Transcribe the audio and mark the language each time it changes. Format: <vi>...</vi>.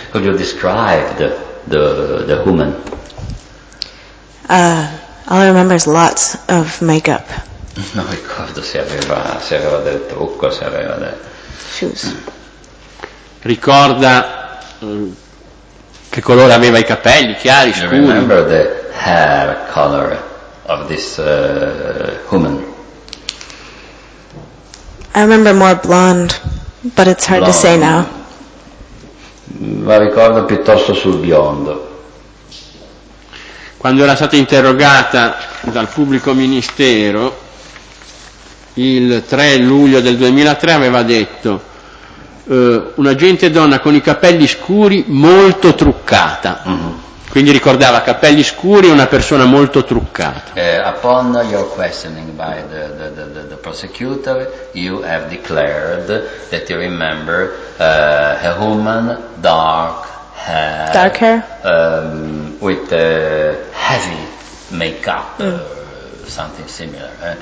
<en>Could you describe the woman? All I remember is lots of makeup.</en> <it>Non ricordo se aveva del trucco, se aveva del...</it> <en>Shoes.</en> <it>Ricorda che colore aveva i capelli, chiari, scuri.</it> <en>You remember the hair color of this woman? I remember more blonde, but it's hard blonde. To say now.</en> <it>Ma ricordo piuttosto sul biondo. Quando era stata interrogata dal pubblico ministero, il 3 luglio del 2003 aveva detto una gente donna con i capelli scuri molto truccata. Mm-hmm. Quindi ricordava capelli scuri e una persona molto truccata.</it> <en>Upon your questioning by the prosecutor, you have declared that you remember a woman dark hair. Dark hair? With heavy makeup, something similar.</en>